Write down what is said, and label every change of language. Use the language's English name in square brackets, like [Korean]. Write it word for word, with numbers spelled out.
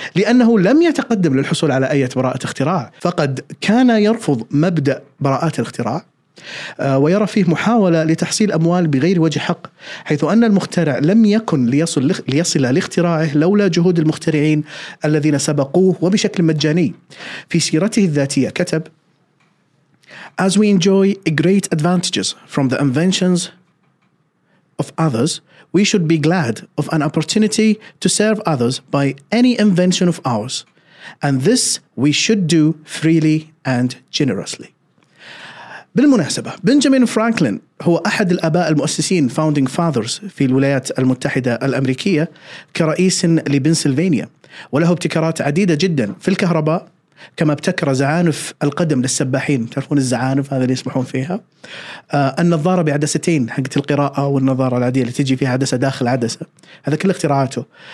[Arabic] لأنه لم يتقدم للحصول على أي براءة اختراع، فقد كان يرفض مبدأ براءات الاختراع ويرى فيه محاولة لتحصيل أموال بغير وجه حق، حيث أن المخترع لم يكن ليصل, ليصل لاختراعه لولا جهود المخترعين الذين سبقوه وبشكل مجاني. في سيرته الذاتية كتب: [English] As we enjoy great advantages from the inventions of others, we should be glad of an opportunity to serve others by any invention of ours, and this we should do freely and generously. [Arabic] بالمناسبة بنجامين فرانكلين هو أحد الآباء المؤسسين [English] founding fathers [Arabic] في الولايات المتحدة الأمريكية كرئيس لبنسلفانيا، وله ابتكارات عديدة جدا في الكهرباء، كما ابتكر زعانف القدم للسباحين، تعرفون الزعانف هذا اللي يسمحون فيها، آه النظارة بعدستين حقت القراءة والنظارة العادية اللي تجي فيها عدسة داخل عدسة، هذا كل اختراعاته.